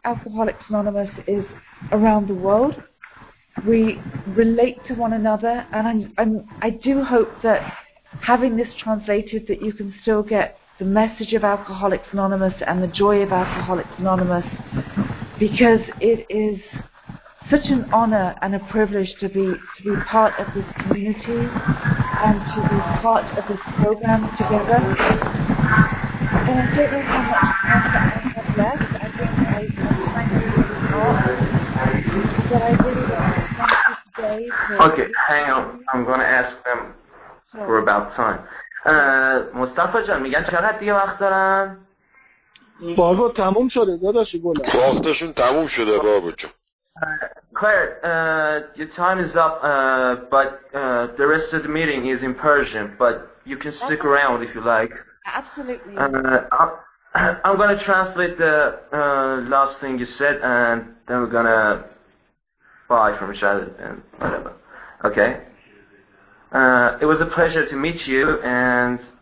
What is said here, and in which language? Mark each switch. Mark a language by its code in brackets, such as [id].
[en] Alcoholics Anonymous is around the world. We relate to one another, and I do hope that having this translated, that you can still get the message of Alcoholics Anonymous and the joy of Alcoholics Anonymous, because it is such an honor and a privilege to be part of this community and to be part of this program together. And I don't know how much time that I have left. I think I thank you all, but I really want to thank you today. Okay, hang on. I'm going to ask them for about time. [fa] مصطفی جان میگن چقدر دیگه وقت دارن؟ بابا تموم شده داداشی گلم. وقتشون تموم شده بابا جان. [en] Claire, your time is up, but the rest of the meeting is in Persian, but you can stick around if you like. Absolutely. I'm going to translate the last thing you said, and then we're going to bye from each other and whatever. Okay. It was a pleasure to meet you, and